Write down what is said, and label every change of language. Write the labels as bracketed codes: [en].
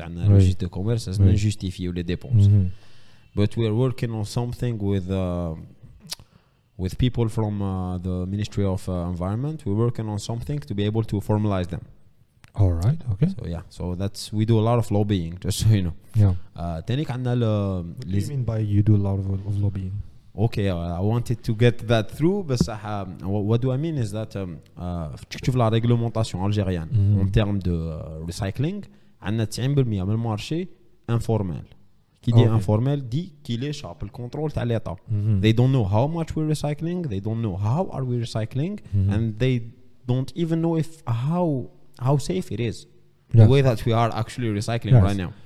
[ar] عندنا [fr] registre de commerce, ça se justifie les dépenses. [en] But we are working on something with people from the Ministry of Environment. We're working on something to be able to formalize them. All right, okay. So yeah, so that's, we do a lot of lobbying, just so you know. Yeah. Tenik anna le. What do you mean by you do a lot of lobbying? Okay, I wanted to get that through, but what do I mean is that [fr] tu trouves la réglementation algérienne en termes de [en] recycling, [ar] anna [en] 90% [fr] du marché informel. Qui dit informel dit qu'il échappe le contrôle de l'État. [en] They don't know how much we're recycling, they don't know how are we recycling, and they don't even know if how safe it is, the way that we are actually recycling right now.